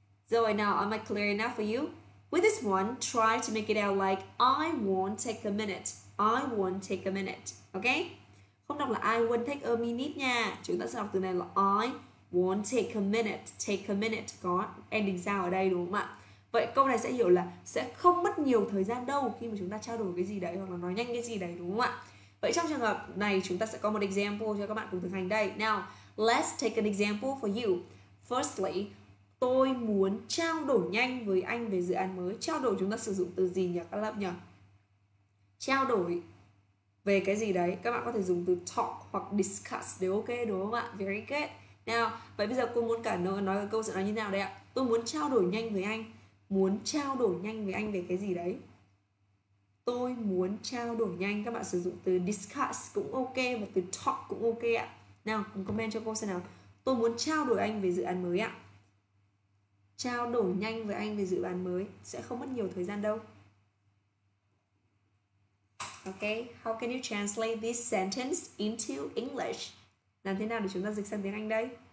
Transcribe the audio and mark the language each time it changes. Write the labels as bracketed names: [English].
[English] So I know, am I clear enough for you? With this one, try to make it out like I won't take a minute. I won't take a minute. Okay? [Vietnamese] Không đọc là [English] I won't take a minute [Vietnamese] nha. Chúng ta sẽ đọc từ này là [English] I won't take a minute. Take a minute. [Vietnamese] Có ending sound ở đây đúng không ạ? Vậy câu này sẽ hiểu là sẽ không mất nhiều thời gian đâu khi mà chúng ta trao đổi cái gì đấy hoặc là nói nhanh cái gì đấy đúng không ạ? Vậy trong trường hợp này chúng ta sẽ có một example cho các bạn cùng thực hành đây. [English] Now, let's take an example for you. Firstly, [Vietnamese] tôi muốn trao đổi nhanh với anh về dự án mới. Trao đổi chúng ta sử dụng từ gì nhỉ các lớp nhỉ? Trao đổi về cái gì đấy? Các bạn có thể dùng từ talk hoặc discuss đều ok đúng không ạ? [English] Very good. [Vietnamese] Now, vậy bây giờ cô muốn cả nói cái câu sẽ nói như thế nào đây ạ? Tôi muốn trao đổi nhanh với anh. Muốn trao đổi nhanh với anh về cái gì đấy? Tôi muốn trao đổi nhanh. Các bạn sử dụng từ discuss cũng ok và từ talk cũng ok ạ. Nào, cùng comment cho cô xem nào. Tôi muốn trao đổi anh về dự án mới ạ. Trao đổi nhanh với anh về dự án mới. Sẽ không mất nhiều thời gian đâu. [English] Ok, how can you translate this sentence into English? [Vietnamese] Làm thế nào để chúng ta dịch sang tiếng Anh đây?